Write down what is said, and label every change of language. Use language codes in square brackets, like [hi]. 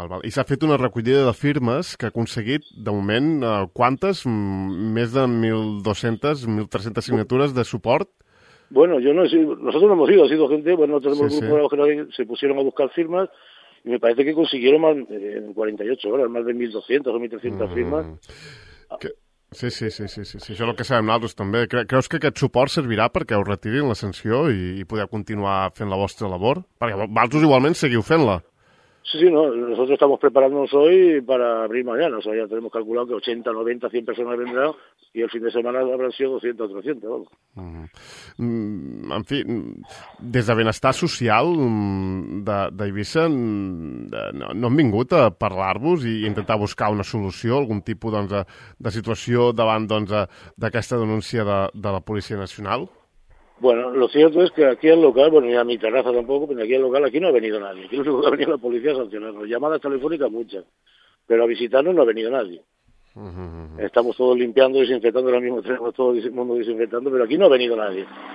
[ca] Val. I s'ha fet una recollida de firmes que ha aconseguit, de moment, quantes? Més de 1.200, 1.300 signatures de suport? [es] Bueno, yo no he sido, nosotros no hemos ido, ha sido gente, bueno, tenemos sí, un grupo sí. De se pusieron a buscar firmas y me parece que consiguieron más en 48 horas, más de 1.200 o 1.300 firmas. Sí. [ca] Això és el que sabem nosaltres també. Creus que aquest suport servirà perquè us retirin la sanció i podeu continuar fent la vostra labor? Perquè vosaltres igualment seguiu fent-la. [es] Sí, no. Nosotros estamos preparándonos hoy para abrir mañana. O sea, ya tenemos calculado que 80, 90, 100 personas vendrán y el fin de semana habrán sido 200 o 300, vamos. [ca] En fi, des de Benestar Social d'Eivissa, no han vingut a parlar-vos i intentar buscar una solució, algun tipus doncs, de situació davant d'aquesta denúncia de la Policia Nacional? [es] Bueno, lo cierto es que aquí al local, bueno, ni a mi terraza tampoco, pero aquí al local aquí no ha venido nadie. Aquí lo único que ha venido la policía a sancionarnos. Llamadas telefónicas muchas, pero a visitarnos no ha venido nadie. Estamos todos limpiando, desinfectando, ahora mismo tenemos todo el mundo desinfectando, pero aquí no ha venido nadie.